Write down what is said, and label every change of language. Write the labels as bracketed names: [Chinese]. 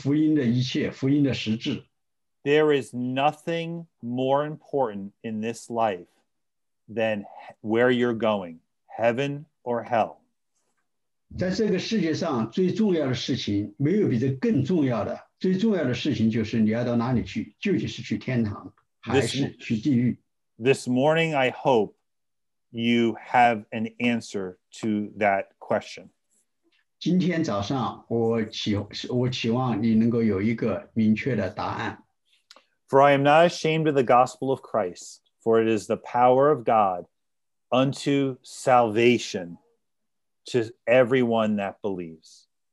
[Chinese] 这就是福音的一切，福音的实质。 [English] There is nothing more important in this life than where you're going, heaven or hell. [Chinese] 在这个世界上最重要的事情没有比这更重要的，最重要的事情就是你要到哪里去，究竟是去天堂还是去地狱。 [English] This morning, I hope you have an answer to that question. [Chinese] 今天早上我期望你能够有一个明确的答案。 [English] For I am not ashamed of the gospel of Christ, for it is the power of God unto salvation to everyone that believes.